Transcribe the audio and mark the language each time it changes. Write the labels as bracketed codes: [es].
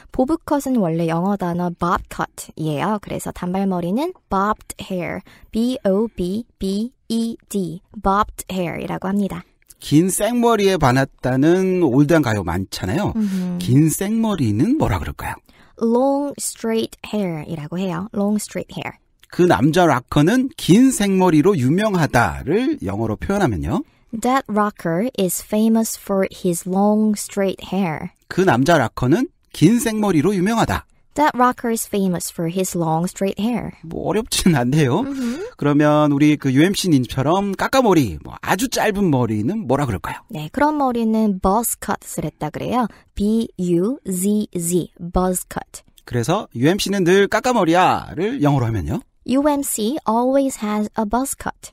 [ko] 보브컷은 원래 영어 단어 bob cut이에요. 그래서 단발머리는 [en] bobbed hair, B-O-B-B-E-D, bobbed hair [ko] 이라고 합니다. 긴 생머리에 반했다는 올드한 가요 많잖아요. 긴 생머리는 뭐라 그럴까요? [en] Long straight hair [ko] 이라고 해요. [en] Long straight hair. [ko] 그 남자 락커는 긴 생머리로 유명하다를 영어로 표현하면요. [en] That rocker is famous for his long straight hair. [ko] 그 남자 락커는 긴 생머리로 유명하다. [en] That rocker is famous for his long straight hair. [ko] 뭐 어렵진 않네요. Mm-hmm. 그러면 우리 그 UMC님처럼 까까머리, 뭐 아주 짧은 머리는 뭐라 그럴까요? 네, 그런 머리는 buzz cut을 했다 그래요. [en] B-U-Z-Z, buzz cut. [ko] 그래서 UMC는 늘 까까머리야를 영어로 하면요? [en] UMC always has a buzz cut.